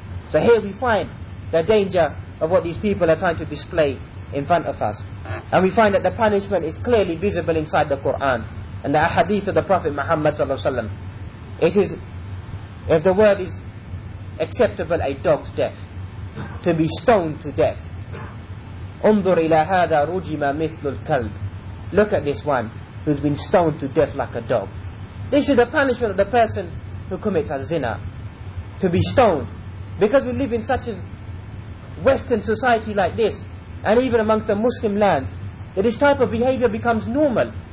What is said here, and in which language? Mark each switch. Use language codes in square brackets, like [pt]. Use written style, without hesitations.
[en] So here we find the danger of what these people are trying to display in front of us. And we find that the punishment is clearly visible inside the Quran and the hadith of the Prophet Muhammad ﷺ. It is, if the word is acceptable, a dog's death, to be stoned to death. [ar] انظر إلى هذا رجم مثل الكلب. [en] Look at this one who's been stoned to death like a dog. This is the punishment of the person who commits a zina, to be stoned. Because we live in such a Western society like this, and even amongst the Muslim lands, that this type of behavior becomes normal.